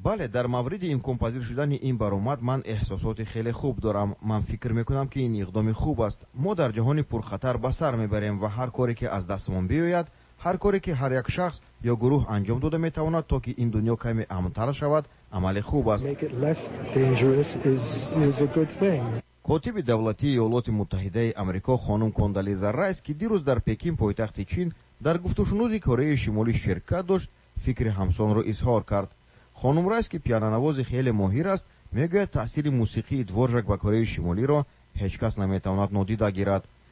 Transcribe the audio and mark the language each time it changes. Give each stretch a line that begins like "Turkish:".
Persian: بله، در مورد امکان پذیر شدن این برآمد من احساسات خیلی خوب دارم. من فکر میکنم که این اقدام خوب است. ما در جهان پرخطر به سر میبریم و هر کاری که از دستمون بیاید، هر کاری که هر یک شخص یا گروه انجام داده میتواند تا که این دنیا کمی امن‌تر شود، عمل خوب است.
English: Make it less dangerous is a good thing.
Persian: کاتب دولتی ایالات متحده آمریکا خانم کوندالیزا رایس که دیروز در پکین پایتخت چین در گفتگوشنودی کره شمالی شرکت داشت، فکر همسان را اظهار کرد. خانم رایس که پیانو نواز خیلی ماهر است، میگوید تاثیر موسیقی دورژک با کره شمالی را هیچ کس نمیتواند نادیده گیرد.